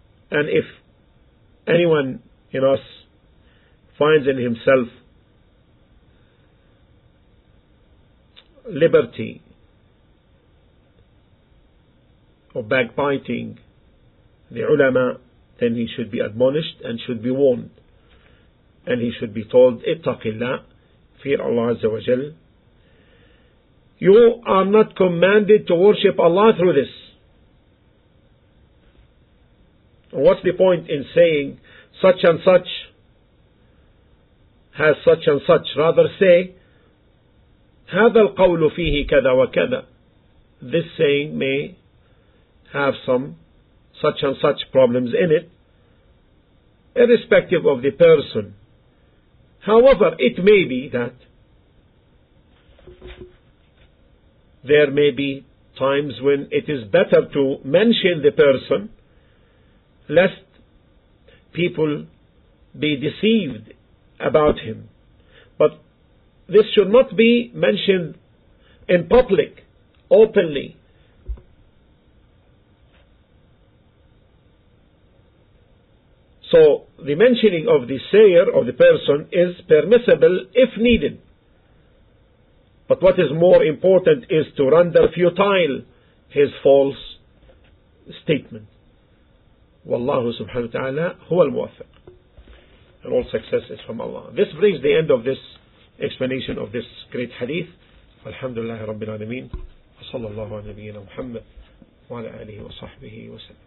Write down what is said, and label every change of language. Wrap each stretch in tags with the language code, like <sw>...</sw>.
<en>And if anyone in us finds in himself liberty of backbiting the ulama, then he should be admonished and should be warned, and he should be told, ittaqillah, fear Allah Azza wa Jal. You are not commanded to worship Allah through this. What's the point in saying such and such has such and such? Rather say,</en> <ar>هذا القول فيه كذا وكذا.</ar> <en>This saying may have some such and such problems in it, irrespective of the person. However, it may be that there may be times when it is better to mention the person, lest people be deceived about him. But this should not be mentioned in public, openly. So the mentioning of the sayer, of the person, is permissible if needed. But what is more important is to render futile his false statement.</en> <ar>والله سبحانه وتعالى هو الموفق.</ar> <en>And all success is from Allah. This brings the end of this explanation of this great hadith.</en> <ar>الحمد لله رب العالمين. وصلى الله على نبينا محمد وعلى آله وصحبه وسلم.</ar>